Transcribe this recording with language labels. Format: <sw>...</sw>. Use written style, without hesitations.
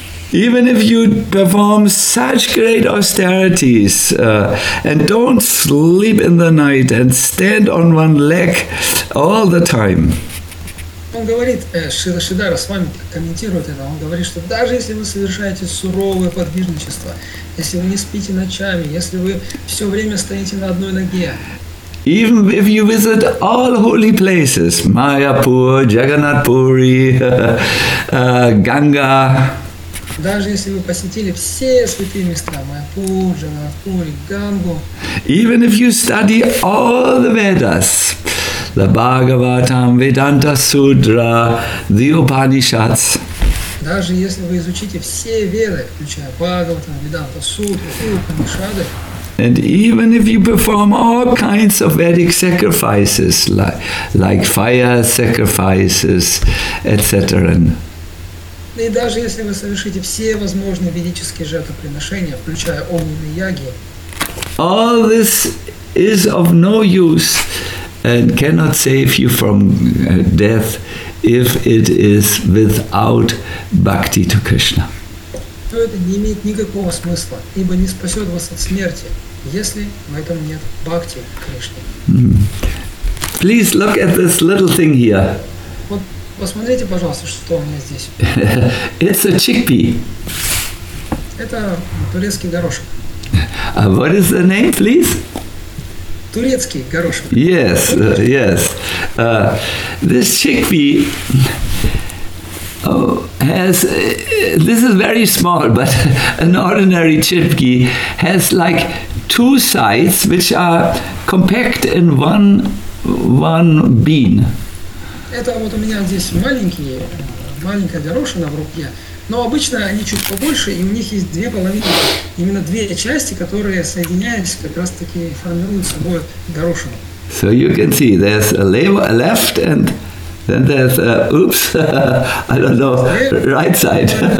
<en>Even if you perform such great austerities and don't sleep in the night and stand on one leg all the time,</en> <ru>Он говорит, Шрила Шридхара с вами комментирует это, он говорит, что даже если вы совершаете суровое подвижничество, если вы не спите ночами, если вы все время стоите на одной ноге,</ru> <en>even if you visit all holy places, Mayapur, Jagannath Puri, Ganga.</en> <ru>Даже если вы посетили все святые места, Mayapur, Jagannath Puri, Ganga.</ru> <en>Even if you study all the Vedas, the Bhagavatam, Vedanta Sutra, the Upanishads.</en> <ru>Даже если вы изучите все веды, включая Бхагаватам, Веданта Сутру и Упанишады.</ru> <en>And even if you perform all kinds of Vedic sacrifices, like fire sacrifices, etc.</en> <ru>И даже если вы совершите все возможные ведические жертвоприношения, включая огненные яги,</ru> <en>all this is of no use and cannot save you from death if it is without bhakti to Krishna.</en> <ru>Но это не имеет никакого смысла, ибо не спасет вас от смерти. Если в этом нет бхакти Кришны.</ru> <en>Please look at this little thing here.</en> <ru>Вот посмотрите, пожалуйста, что у меня здесь.</ru> <en>It's a chickpea.</en> <ru>Это турецкий горошек.</ru> <en>What is the name, please?</en> <ru>Турецкий горошек.</ru> <en>Yes, yes. This chickpea. Has this is very small, but an ordinary chickpea has like two sides which are compact in one bean.</en> <ru>Это вот у меня здесь маленькая горошина в руке, но обычно они чуть побольше, и у них есть две половинки, именно две части, которые соединяются, как раз таки формируют собой горошину.</ru> <en>So you can see there's a left and then there's oops, I don't know, right side.</en>